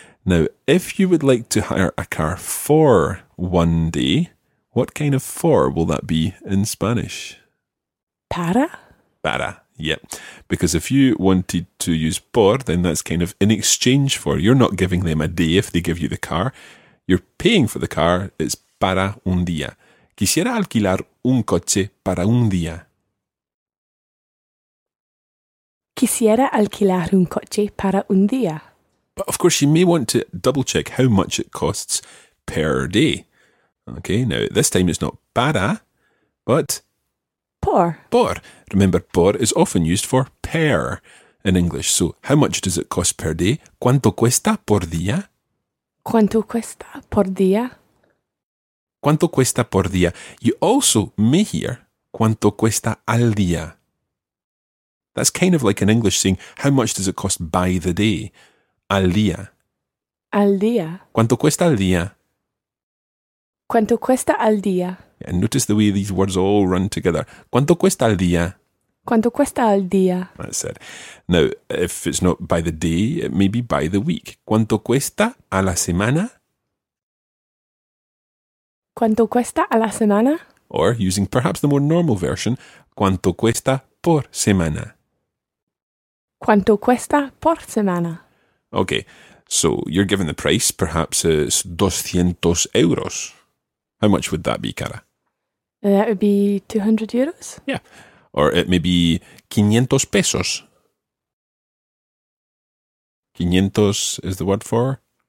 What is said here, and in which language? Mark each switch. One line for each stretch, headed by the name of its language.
English: Now, if you would like to hire a car for one day, what kind of for will that be in Spanish?
Spanish: Para. Para, yep.
English: Because if you wanted to use por, then that's kind of in exchange for. You're not giving them a day if they give you the car. You're paying for the car.
Spanish: It's para un día. Quisiera alquilar un coche para un día. Quisiera alquilar un coche para un día.
English: But of course, you may want to double check how much it costs per day. Okay, now this time it's not para, but...
Spanish: Por. Por.
English: Remember, por is often used for per in English. So how much does it cost per day?
Spanish: ¿Cuánto cuesta por día? ¿Cuánto cuesta por día? ¿Cuánto cuesta por día?
English: You also may hear
Spanish: ¿cuánto cuesta al día?
English: That's kind of like an English saying, how much does it cost by the day?
Spanish: Al día. Al día. ¿Cuánto cuesta al día? ¿Cuánto cuesta al día?
English: And notice the way these words all run together.
Spanish: ¿Cuánto cuesta al día? ¿Cuánto cuesta al día?
English: That's it. Now, if it's not by the day, it may be by the week.
Spanish: ¿Cuánto cuesta a la semana? ¿Cuánto cuesta a la semana?
English: Or, using perhaps the more normal version,
Spanish: ¿cuánto cuesta por semana? ¿Cuánto cuesta por semana?
English: Okay, so you're given the price, perhaps it's 200 euros. How much would that be, Cara? That would be 200 euros? Yeah, or it may be 500 pesos. 500 is the word for?